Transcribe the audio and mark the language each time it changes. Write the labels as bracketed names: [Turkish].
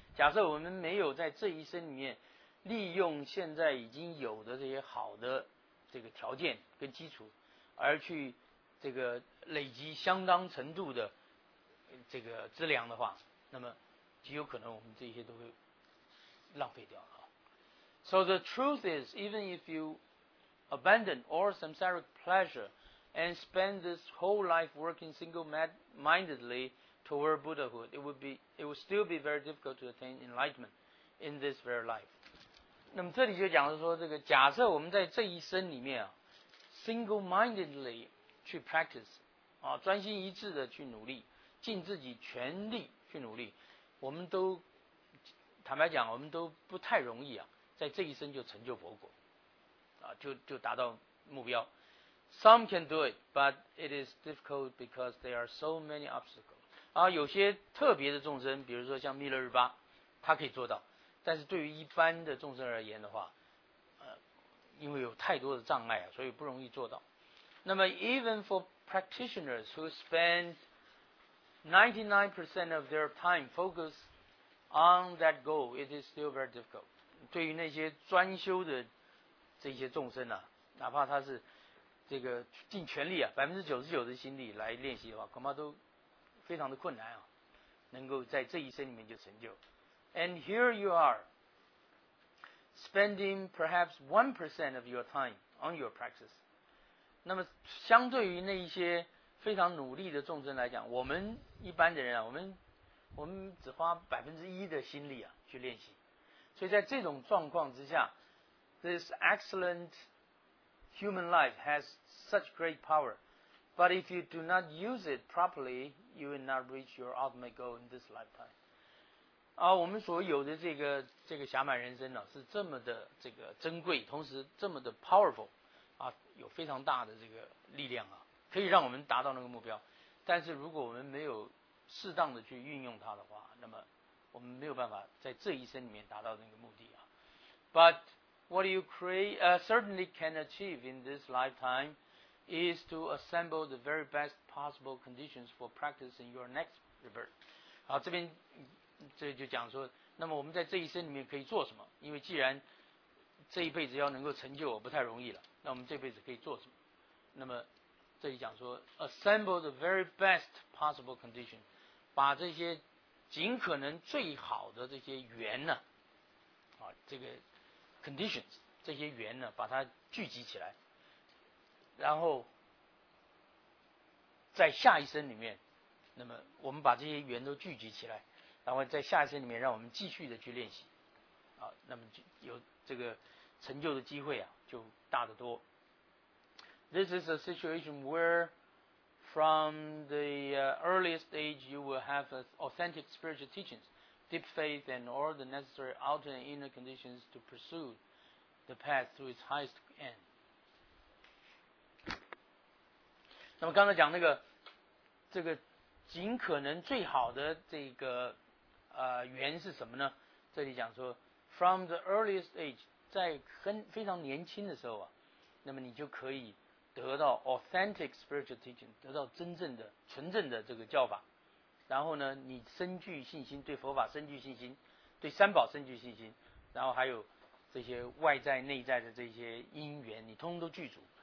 [Chinese] 假设我们没有在这一生里面利用现在已经有的这些好的这个条件跟基础，而去这个累积相当程度的这个资粮的话，那么极有可能我们这些都会浪费掉了。 [English] So the truth is, even if you abandon all samsaric pleasure and spend this whole life working single-mindedlytoward Buddhahood, it would still be very difficult to attain enlightenment in this very life. [Chinese] 那么这里就讲说，这个假设我们在这一生里面啊 ， [English] single-mindedly [Chinese] 去 [English] practice， [Chinese] 啊，专心一致的去努力，尽自己全力去努力，我们都坦白讲，我们都不太容易啊，在这一生就成就佛果，啊，就达到目标。 [English] Some can do it, but it is difficult because there are so many obstacles. [Chinese] 啊，有些特别的众生，比如说像密勒日巴，他可以做到。但是对于一般的众生而言的话，因为有太多的障碍啊，所以不容易做到。 [English] 那么 ，even for practitioners who spend 99% of their time focus on that goal, it is still very difficult. [Chinese] 对于那些专修的这些众生啊，哪怕他是这个尽全力啊，99%的心力来练习的话，恐怕都非常的困难啊，能够在这一生里面就成就。 [English] And here you are, spending perhaps 1% of your time on your practice. [Chinese] 那么相对于那一些非常努力的众生来讲，我们一般的人啊，我们只花1%的心力啊去练习。所以在这种状况之下 [English] ，this excellent human life has such great power. But if you do not use it properly, you will not reach your ultimate goal in this lifetime. [Chinese] 啊，我们所有的这个侠满人生呢、啊，是这么的这个珍贵，同时这么的 powerful， 啊，有非常大的这个力量啊，可以让我们达到那个目标。但是如果我们没有适当的去运用它的话，那么我们没有办法在这一生里面达到那个目的啊。 [English] But what you create, certainly can achieve in this lifetime. Is to assemble the very best possible conditions for practice in your next rebirth. [Chinese] 好，这边这就讲说，那么我们在这一生里面可以做什么？因为既然这一辈子要能够成就不太容易了，那我们这辈子可以做什么？那么这里讲说 ， [English] assemble the very best possible condition， [Chinese] 把这些尽可能最好的这些缘呢、啊，啊，这个 conditions 这些缘呢，把它聚集起来，然后在下一生里面，那么我们把这些缘都聚集起来，然后在下一生里面，让我们继续的去练习，啊，那么就有这个成就的机会啊，就大得多。 [English] This is a situation where, from the earliest age, you will have authentic spiritual teachings, deep faith, and all the necessary outer and inner conditions to pursue the path to its highest end. [Chinese] 那么刚才讲那个，这个尽可能最好的这个缘是什么呢？这里讲说 ， [English] from the earliest age， [Chinese] 在很非常年轻的时候啊，那么你就可以得到 [English] authentic spiritual teaching， [Chinese] 得到真正的纯正的这个教法，然后呢你深具信心，对佛法深具信心，对三宝深具信心，然后还有这些外在内在的这些因缘你通通都具足，